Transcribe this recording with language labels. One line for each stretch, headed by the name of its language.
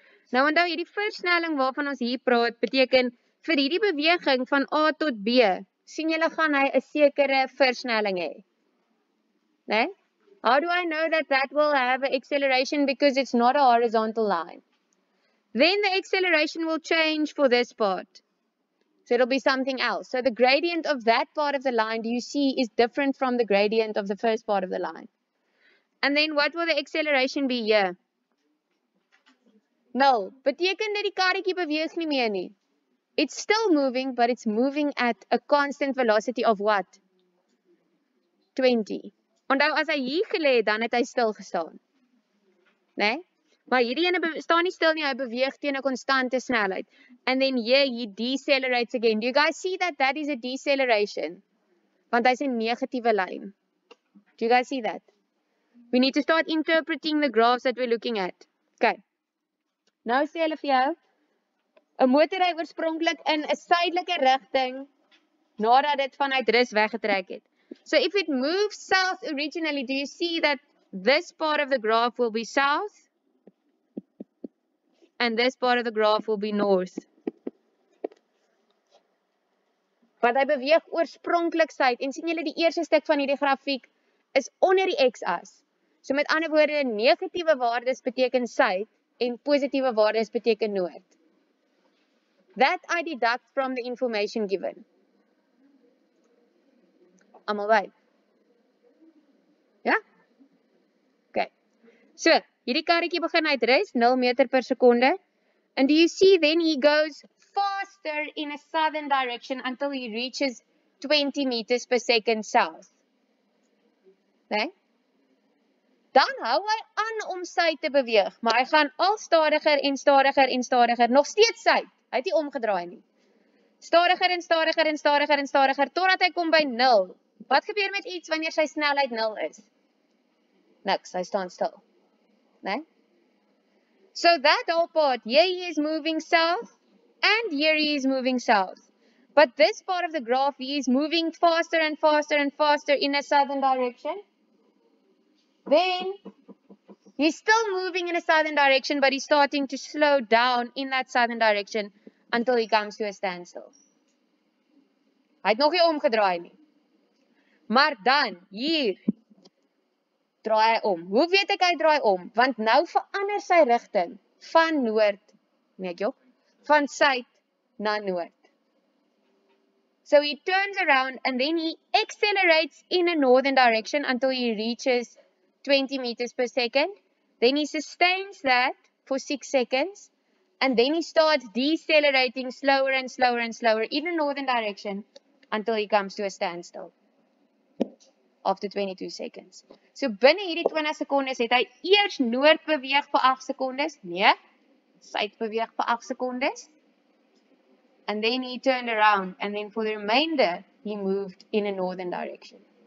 Afrikaans: Nou onthou hierdie versnelling waarvan ons hier praat beteken vir hierdie beweging van A tot B, sien julle gaan hy 'n sekere versnelling hê. Né?
English: How do I know that that will have an acceleration because it's not a horizontal line? Then the acceleration will change for this part. So it'll be something else. So the gradient of that part of the line, do you see, is different from the gradient of the first part of the line. And then what will the acceleration be here?
Afrikaans: Nul. Beteken dat die karretjie beweeg nie meer nie.
English: It's still moving, but it's moving at a constant velocity of what? 20.
Afrikaans: Onthou as hy hier gelê het, dan het hy stil gestaan. Né? Nee? Maar hierdie ene staan nie stil nie, hy beweeg teen 'n konstante snelheid.
English: And then here he decelerates again. Do you guys see that that is a deceleration?
Afrikaans: Want hy's 'n negatiewe lyn.
English: Do you guys see that? We need to start interpreting the graphs that we're looking at. Okay.
Afrikaans: Nou sê hulle vir jou, 'n motor ry oorspronklik in 'n suidelike rigting nadat dit vanuit rus weggetrek het.
English: So if it moves south originally, do you see that this part of the graph will be south? And this part of the graph will be north.
Afrikaans: Want hy beweeg oorspronklik suid en sien julle die eerste stuk van hierdie grafiek is onder die x-as. So met ander woorde, negatiewe waardes beteken suid en positiewe waardes beteken noord.
English: That I deduct from the information given.
Afrikaans: Almal by. Ja? Okay. So, hierdie karretjie begin uit rus 0 meter per sekonde.
English: And do you see then he goes faster in a southern direction until he reaches 20 meters per second south.
Afrikaans: Né? Dan hou hy aan om sy te beweeg, maar hy gaan al stadiger en stadiger en stadiger, nog steeds sy. Hy het nie omgedraai nie. Stadiger en stadiger en stadiger en stadiger totdat hy kom by 0. Wat gebeur met iets wanneer sy snelheid 0 is? Niks, hy staan stil. Né?
English: So that whole part, here he is moving south, and here he is moving south. But this part of the graph, he is moving faster and faster and faster in a southern direction. Then, he's still moving in a southern direction, but he's starting to slow down in that southern direction until he comes to a standstill.
Afrikaans: Hy het nog nie omgedraai nie. Maar dan, hier, draai hy om. Hoe weet ek hy draai om? Want nou verander sy rigting van noord, nee joh, van suid na noord.
English: So he turns around and then he accelerates in a northern direction until he reaches 20 meters per second. Then he sustains that for 6 seconds And then he starts decelerating slower and slower and slower in the northern direction until he comes to a standstill after 22 seconds.
Afrikaans: So binne hierdie 20 sekondes het hy eers noord beweeg vir 8 sekondes. Nee, suid beweeg vir 8 sekondes.
English: And then he turned around and then for the remainder he moved in a northern direction.